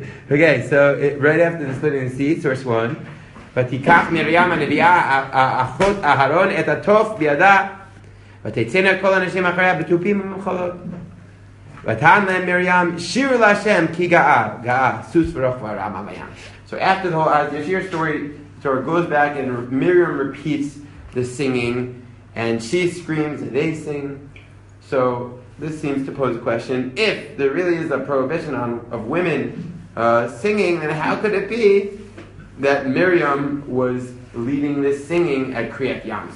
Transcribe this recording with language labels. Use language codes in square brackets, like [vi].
[en] Okay, so right after the splitting of the sea, source one. [he] ותיקח מרים הנביאה אחות אהרון את התוף בידה ותצאנה כל אנשים אחריה בתופים ומחולות ותען להם מרים שיר להשם כי גאה סוס ורוחב הרמה בים. [en] So after the whole Yashir story sort of goes back and Miriam repeats the singing and she screams and they sing. So this seems to pose a question. If there really is a prohibition of women singing, then how could it be that Miriam was leading this singing at Kriyat Yamsuf?